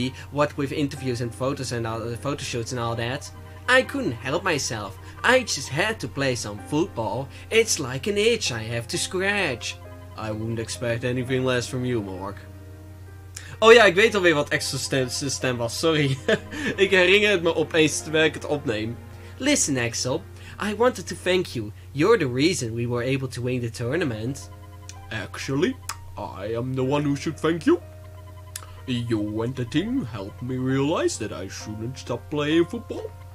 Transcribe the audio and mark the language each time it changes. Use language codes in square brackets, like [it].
[en] What with interviews and photos and all the photo shoots and all that. I couldn't help myself. I just had to play some football. It's like an itch I have to scratch. I wouldn't expect anything less from you, Mark. [nl] Oh ja, ik weet alweer wat extra stem was, sorry. Ik herinner het me opeens terwijl ik het opneem. [en] Listen, Axel. I wanted to thank you. You're the reason we were able to win the tournament. Actually, I am the one who should thank you. You and the team helped me realize that I shouldn't stop playing football.